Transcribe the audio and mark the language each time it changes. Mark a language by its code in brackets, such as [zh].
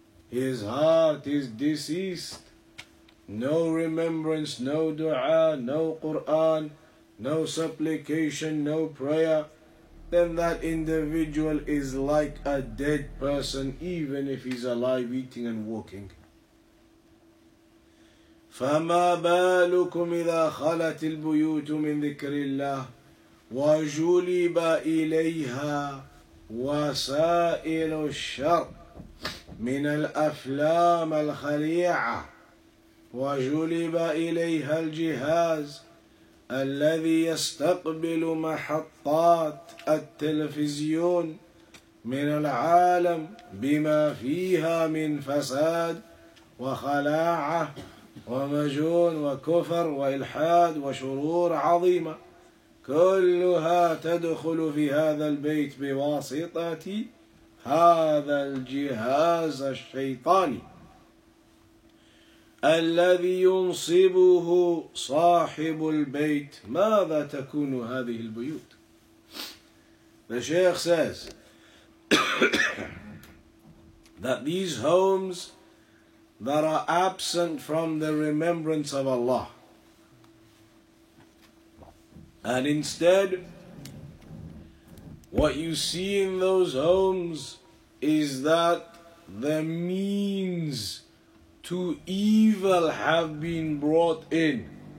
[en] His heart is deceased. No remembrance, no dua, no Quran, no supplication, no prayer, then that individual is like a dead person, even if he's alive, eating and walking. [ar] فَمَا بَالُكُمْ إِذَا خَلَتِ الْبُيُوتُ مِنْ ذِكْرِ اللَّهِ وَجُلِبَ إِلَيْهَا وَسَائِلُ الشَّرِّ مِنَ الْأَفْلَامِ الْخَلِيعَةِ وَجُلِبَ إِلَيْهَا الْجِهَازُ الَّذِي يَسْتَقْبِلُ مَحَطَّاتِ التَّلَفِزيونِ مِنَ الْعَالَمِ بِمَا فِيهَا مِنْ فَسَادٍ وَخَلَاعَةٍ ومجون وكفر وإلحاد وشرور عظيمة كلها تدخل في هذا البيت بواسطة هذا الجهاز الشيطاني الذي ينصبه صاحب البيت. ماذا تكون هذه البيوت؟ [en] The Sheikh says that these homes that are absent from the remembrance of Allah, and instead what you see in those homes is that the means to evil have been brought in.